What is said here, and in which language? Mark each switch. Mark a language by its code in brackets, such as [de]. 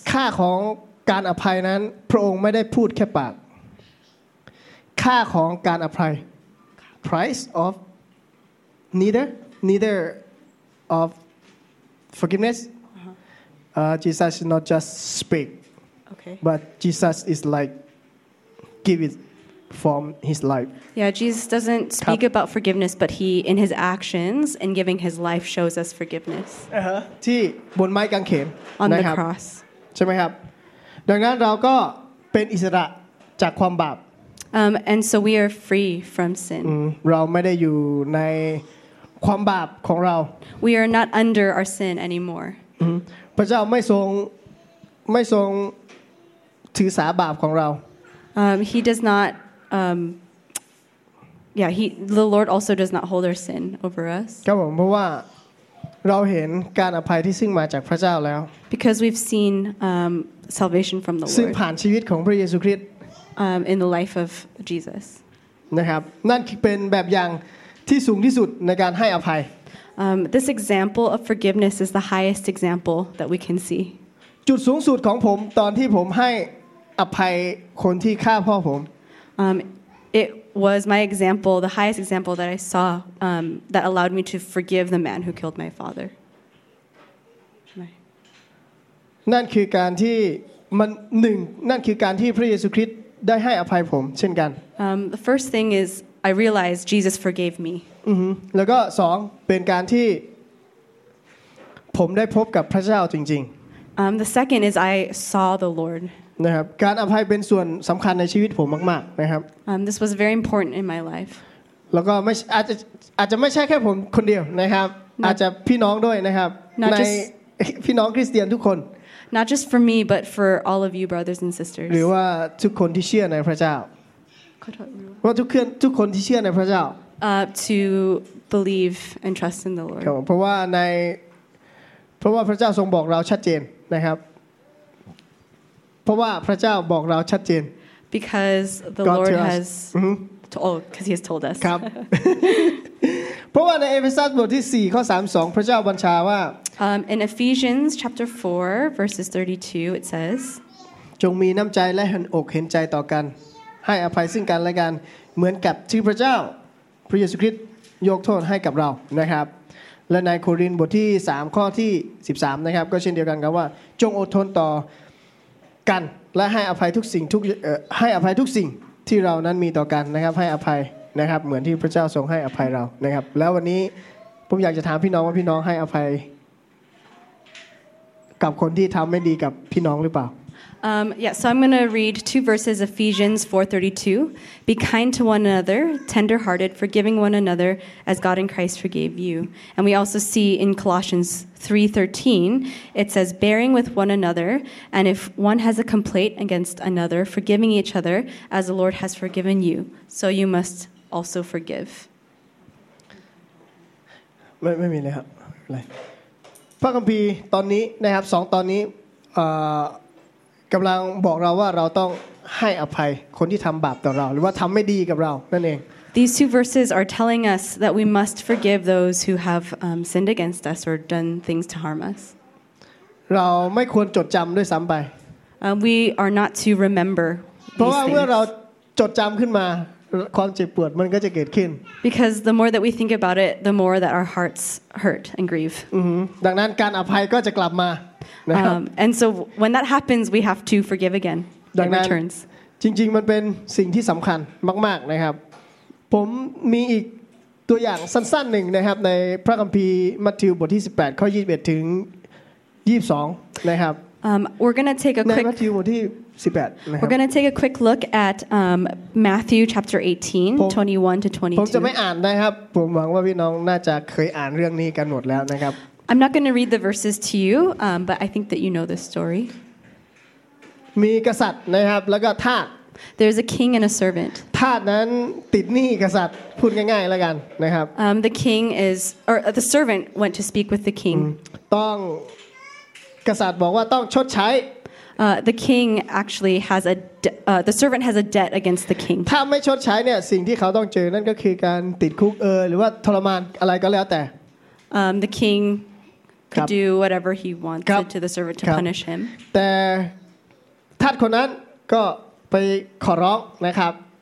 [th] ค่าของการอภัยนั้นพระองค์ไม่ได้พูดแค่ปากค่าของการอภัย [en] Price of neither of forgivenessJesus is not just speak, but Jesus is like give it from his life. Yeah, Jesus doesn't speak about forgiveness, but he, in his actions and giving his life, shows us forgiveness. [th] ที่บนไม้กางเขน [en] นะครับ On the cross. [th] ใช่ไหมครับดังนั้นเราก็ ป็นอิสระจากความบาป [en] and so we are free from sin [th] เราไม่ได้อยู่ในความบาปของเรา [en] we are not under our sin anymore [th] พระเจ้าไม่ทรงถือสาบาปของเรา [en] he does not yeah he the lord also does not hold our sin over us [th] ครับผมเพราะว่าเราเห็นการอภัยที่ซึ่งมาจากพระเจ้าแล้ว [en] because we've seen salvation from the lord [th] ซึ่งผ่านชีวิตของพระเยซูคริสต์ [en] in the life of jesus [th] นะครับนั่นเป็นแบบอย่างที่สูงที่สุดในการให้อภัย [en] this example of forgiveness is the highest example that we can see [th] จุดสูงสุดของผมตอนที่ผมให้อภัยคนที่ฆ่าพ่อผม [en] It was my example, the highest example that I saw that allowed me to forgive the man who killed my father. [th] นั่นคือการที่มันหนึ่งนั่นคือการที่พระเยซูคริสต์ได้ให้อภัยผมเช่นกัน [en] The first thing is I realized Jesus forgave me. [th] แล้วก็สองเป็นการที่ผมได้พบกับพระเจ้าจริงๆ [en] The second is I saw the Lord. [th] นะครับการอภัยเป็นส่วนสําคัญในชีวิตผมมากๆนะครับ [en] this was very important in my life [th] แล้วก็ไม่อาจจะไม่ใช่แค่ผมคนเดียวนะครับ [en] not, [th] อาจจะพี่น้องด้วยนะครับ [en] just, [th] ในพี่น้องคริสเตียนทุกคน [en] not just for me but for all of you brothers and sisters [th] หรือว่าทุกคนที่เชื่อในพระเจ้าว่าทุกคนที่เชื่อในพระเจ้า [en] to believe and trust in the Lord [th] เพราะว่าในเพราะว่าพระเจ้าทรงบอกเราชัดเจนนะครับเพราะว่าพระเจ้าบอกเราชัดเจน [en] because the God Lord to has told because he has told us [th] ครับเพราะว่าในเอเฟซัสบทที่4ข้อ32พระเจ้าบัญชาว่า [en] in Ephesians chapter 4 verses 32 it says [th] จงมีน้ำใจและเห็นอกเห็นใจต่อกันให้อภัยซึ่งกันและกันเหมือนกับที่พระเจ้าพระเยซูคริสต์ยกโทษให้กับเรานะครับและในโครินธ์บทที่3ข้อที่13นะครับก็เช่นเดียวกันครับว่าจงอดทนต่อกันและให้อภัยทุกสิ่งทุกให้อภัยทุกสิ่งที่เรานั้นมีต่อกันนะครับให้อภัยนะครับเหมือนที่พระเจ้าทรงให้อภัยเรานะครับแล้ววันนี้ผมอยากจะถามพี่น้องว่าพี่น้องให้อภัยกับคนที่ทำไม่ดีกับพี่น้องหรือเปล่า [en] Yeah so I'm going to read two verses Ephesians 4:32 Be kind to one another tender hearted forgiving one another as God in Christ forgave you and we also see in Colossians 3:13 it says bearing with one another and if one has a complaint against another forgiving each other as the Lord has forgiven you so you must also forgive [th] ไม่มีเลยครับไรพระคัมภีร์ตอนนี้นะครับ2ตอนนี้กำลังบอกเราว่าเราต้องให้อภัยคนที่ทำบาปต่อเราหรือว่าทำไม่ดีกับเรานั่นเอง [en] These two verses are telling us that we must forgive those who have sinned against us or done things to harm us. [th] เราไม่ควรจดจำด้วยซ้ำไป [en] We are not to remember. [th] เพราะว่าเมื่อเราจดจำขึ้นมาความเจ็บปวดมันก็จะเกิดขึ้น [en] Because the more that we think about it, the more that our hearts hurt and grieve. [th] ดังนั้นการอภัยก็จะกลับมา [en] And so when that happens, we have to forgive again. It returns. [th] จริงๆมันเป็นสิ่งที่สำคัญมากๆนะครับผมมีอีกตัวอย่างสั้นๆหนึ่งนะครับในพระคัมภีร์มัทธิวบทที่18ข้อ21ถึง22นะครับ [en] We're gonna take a quick [th] ในมัทธิวบทที่18 [en] We're gonna take a quick look at Matthew chapter 18 21 to 22. [th] ผมจะไม่อ่านนะครับผมหวังว่าพี่น้องน่าจะเคยอ่านเรื่องนี้กันหมดแล้วนะครับ [en] I'm not going to read the verses to you, but I think that you know this story. [th] มีกษัตริย์นะครับแล้วก็ทาส [en] There's a king and a servant. [th] ทาสนั้นติดหนี้กษัตริย์พูดง่ายๆแล้วกันนะครับ [en] The king is, or the servant went to speak with the king. [th] ต้องกษัตริย์บอกว่าต้องชดใช้ [en] The king actually has a the servant has a debt against the king. [th] ถ้าไม่ชดใช้เนี่ยสิ่งที่เขาต้องเจอนั่นก็คือการติดคุกหรือว่าทรมานอะไรก็แล้วแต่ [en] The king could do whatever he wants to the servant to punish him. [th] แต่ทาสคนนั้นก็ไปขอร้องนะครับ